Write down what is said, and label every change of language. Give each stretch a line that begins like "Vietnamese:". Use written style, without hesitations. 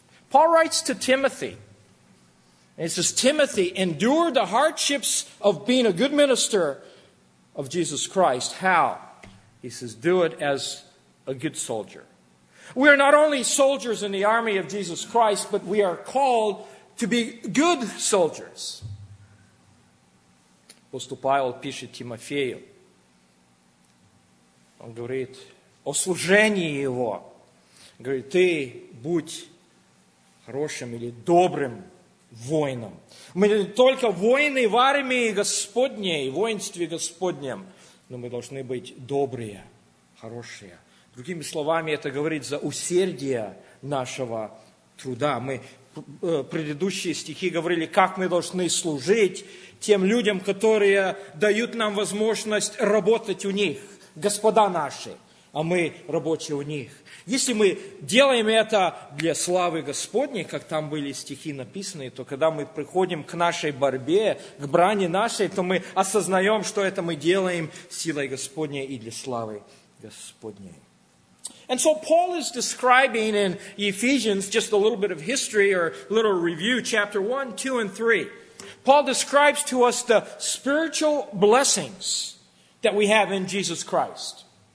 English: Paul writes to Timothy. And it says, "Timothy, endure the hardships of being a good minister of Jesus Christ." How? He says, do it as a good soldier. We are not only soldiers in the army of Jesus Christ, but we are called to be good soldiers.
Russian: Апостол Павел пишет Тимофею. Он говорит о служении его. Говорит, ты будь хорошим или добрым воином. Мы не только воины в армии Господней, в воинстве Господнем, но мы должны быть добрые, хорошие. Другими словами, это говорит за усердие нашего труда. Мы предыдущие стихи говорили, как мы должны служить тем людям, которые дают нам возможность работать у них, господа наши, а мы рабочие у них. Если мы делаем это для славы Господней, как там были стихи написаны, то когда мы приходим к нашей борьбе, к брани нашей, то мы осознаем, что это мы делаем силой Господней и для славы Господней.
English: And so Paul is describing in Ephesians just a little bit of history or a little review, chapter 1, 2, and 3. Paul describes to us the spiritual blessings that we have in Jesus Christ.